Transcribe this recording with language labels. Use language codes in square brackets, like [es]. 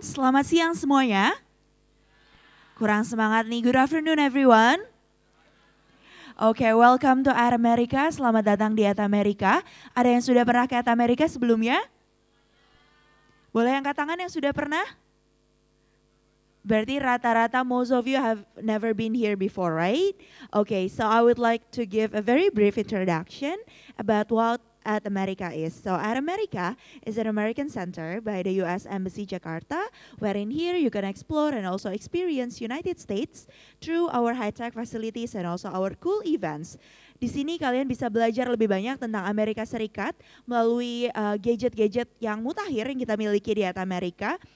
[id] Selamat siang semuanya. Kurang semangat nih. [en] Good afternoon, everyone. Okay, welcome to Air America. [id] Selamat datang di Air America. Ada yang sudah pernah ke Air America sebelumnya? Boleh angkat tangan yang sudah pernah? Berarti rata-rata [en] most of you have never been here before, right? Okay, so I would like to give a very brief introduction about what At America is. So At America is an American center by the U.S. Embassy Jakarta, where in here you can explore and also experience United States through our high-tech facilities and also our cool events. [id] Di sini kalian bisa belajar lebih banyak tentang Amerika Serikat melalui gadget-gadget yang mutakhir yang kita miliki di At America.